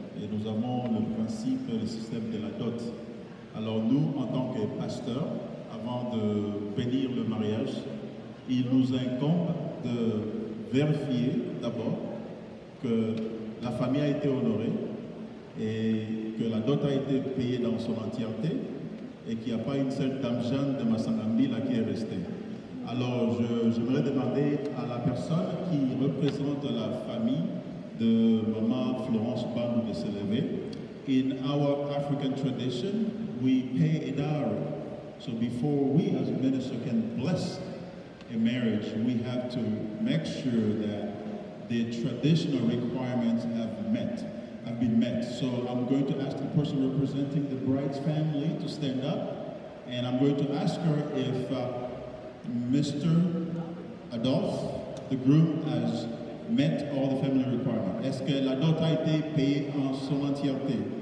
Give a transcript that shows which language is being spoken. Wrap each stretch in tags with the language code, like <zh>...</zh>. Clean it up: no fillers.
<fr>Et nous avons le principe, le système de la dot. Alors nous, en tant que pasteurs, avant de bénir le mariage, il nous incombe de vérifier d'abord que la famille a été honorée et que la dot a été payée dans son entièreté et qu'il n'y a pas une seule dame jeune de Massanambi là qui est restée. Alors, j'aimerais demander à la personne qui représente la famille de Maman Florence Bandou de se lever.</fr> <en>In our African tradition, we pay a dowry. So before we as a minister can bless a marriage, we have to make sure that the traditional requirements have been met. So I'm going to ask the person representing the bride's family to stand up, and I'm going to ask her if Mr. Adolphe, the groom, has met all the family requirements.</en> <fr>Est-ce que la dot a été payée en son entièreté?</fr>